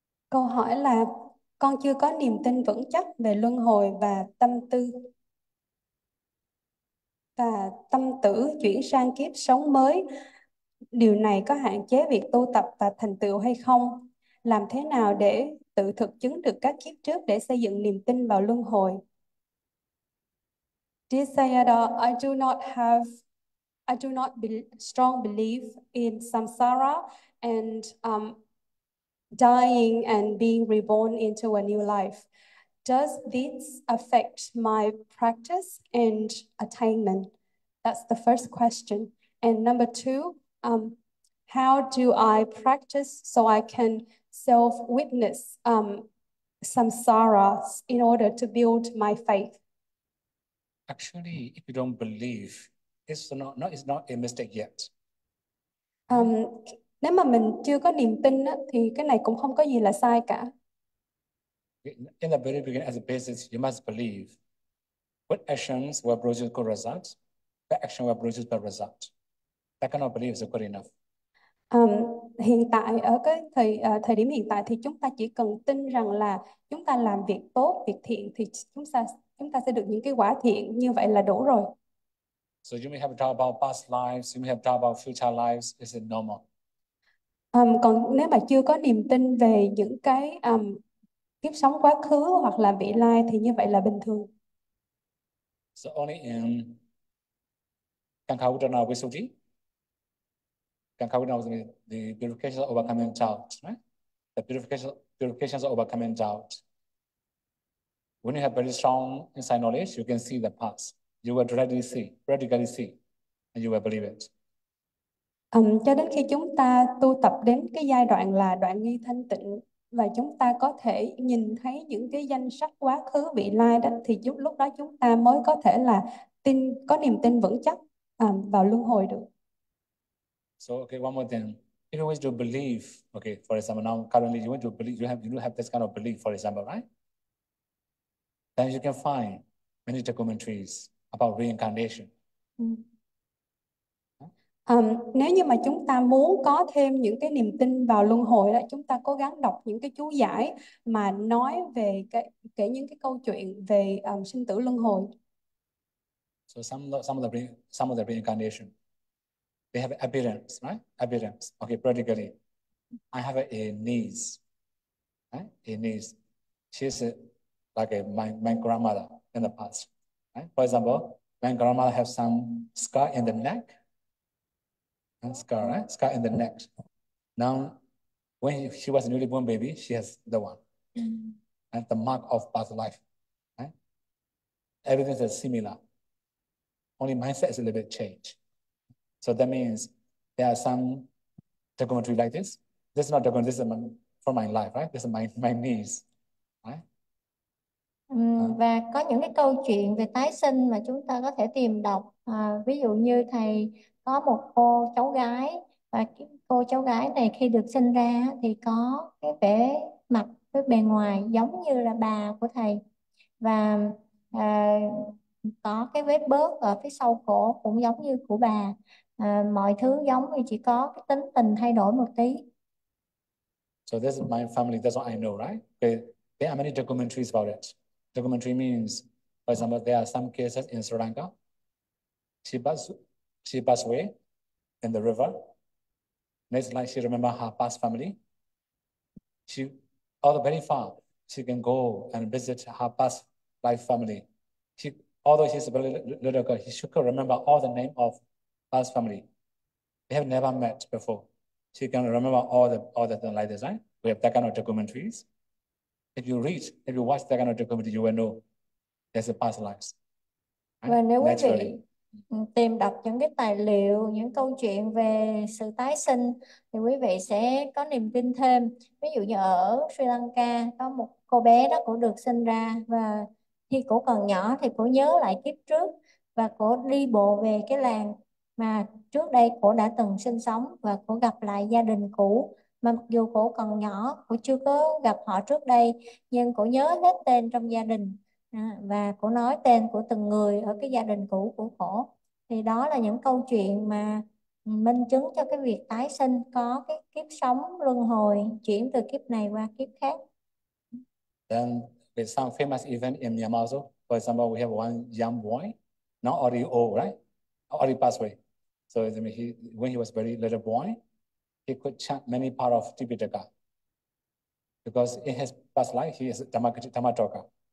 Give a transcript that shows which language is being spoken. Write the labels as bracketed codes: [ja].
[vi] Câu hỏi là con chưa có niềm tin vững chắc về luân hồi và tâm tư và tâm tử chuyển sang kiếp sống mới. Điều này có hạn chế việc tu tập và thành tựu hay không? Làm thế nào để tự thực chứng được các kiếp trước để xây dựng niềm tin vào luân hồi? [en] Dear Sayadaw, I do not be strong belief in samsara and dying and being reborn into a new life. Does this affect my practice and attainment? That's the first question. And number two, how do I practice so I can self-witness samsaras in order to build my faith? Actually, if you don't believe, it's not a mistake yet. Right? [vi] Nếu mà mình chưa có niềm tin á, thì cái này cũng không có gì là sai cả. [en] In the very beginning, as a basis, you must believe. Good actions will produce good results. Bad action will produce bad results. That kind of belief is good enough. [vi] Hiện tại ở cái thời điểm hiện tại thì chúng ta chỉ cần tin rằng là chúng ta làm việc tốt, việc thiện thì chúng ta sẽ được những cái quả thiện, như vậy là đủ rồi. [en] So you may have doubt about past lives, you may have doubt about future lives. Is it normal? [vi] Còn nếu mà chưa có niềm tin về những cái kiếp sống quá khứ hoặc là vị lai thì như vậy là bình thường. [en] So only in Kankawutana Visuddhi. Kankawutana the purification of overcoming doubt, right? The purification of overcoming doubt. When you have very strong inside knowledge, you can see the past. You will radically see, and you will believe it. [vi] Cho đến khi chúng ta tu tập đến cái giai đoạn là đoạn nghi thanh tịnh và chúng ta có thể nhìn thấy những cái danh sắc quá khứ vị lai đó, thì lúc đó chúng ta mới có thể là tin, có niềm tin vững chắc vào luân hồi được. [en] So, okay, one more thing. If you want to believe, okay, for example, now currently you want to believe, you have this kind of belief, for example, right? Then you can find many documentaries about reincarnation. [vi] Nếu như mà chúng ta muốn có thêm những cái niềm tin vào luân hồi đó, chúng ta cố gắng đọc những cái chú giải mà nói về cái kể những cái câu chuyện về sinh tử luân hồi. [en] So some of the reincarnation. They have appearance, right? Appearance. Okay, practically. I have a niece, right? A niece. She's like my grandmother in the past, right? For example, my grandmother has some scar in the neck. Scar, right? Scar in the neck. Now, when she was a newly born baby, she has the one. And the mark of past life, everything is similar. Only mindset is a little bit changed. So that means there are some documentary like this. This is not documentary, this is from my life, right? This is my niece, right? [vi] Và có những cái câu chuyện về tái sinh mà chúng ta có thể tìm đọc, ví dụ như thầy có một cô cháu gái và cái cô cháu gái này khi được sinh ra thì có cái vẻ mặt với bề ngoài giống như là bà của thầy, và có cái vết bớt ở phía sau cổ cũng giống như của bà, mọi thứ giống thì chỉ có cái tính tình thay đổi một tí. [en] So this is my family, that's what I know, right? There are many documentaries about it. Documentary means, for example, there are some cases in Sri Lanka. She passed away in the river. Next life, she remember her past family. She although very far, she can go and visit her past life family. Although she's a very little girl, she could remember all the name of past family. They have never met before. She can remember all the things like this, right? We have that kind of documentaries. If you watch that kind of documentary, you will know there's a past lives, [vi] Và [en] right? [vi] nếu quý [en] Naturally. [vi] vị tìm đọc những cái tài liệu, những câu chuyện về sự tái sinh thì quý vị sẽ có niềm tin thêm. Ví dụ như ở Sri Lanka có một cô bé đó, cổ được sinh ra và khi cổ còn nhỏ thì cổ nhớ lại kiếp trước và cổ đi bộ về cái làng mà trước đây cổ đã từng sinh sống và cổ gặp lại gia đình cũ. Mà mặc dù cổ còn nhỏ, cổ chưa có gặp họ trước đây nhưng cổ nhớ hết tên trong gia đình. Và cô nói tên của từng người ở cái gia đình cũ của cổ. Thì đó là những câu chuyện mà minh chứng cho cái việc tái sinh, có cái kiếp sống luân hồi chuyển từ kiếp này qua kiếp khác. [en] Then with some famous event in Myanmar also. For example, we have one young boy, not already old, right? Already passed away. So when he was very little boy, he could chant many part of Tipitaka. Because in his past life, he is Dhammajoka.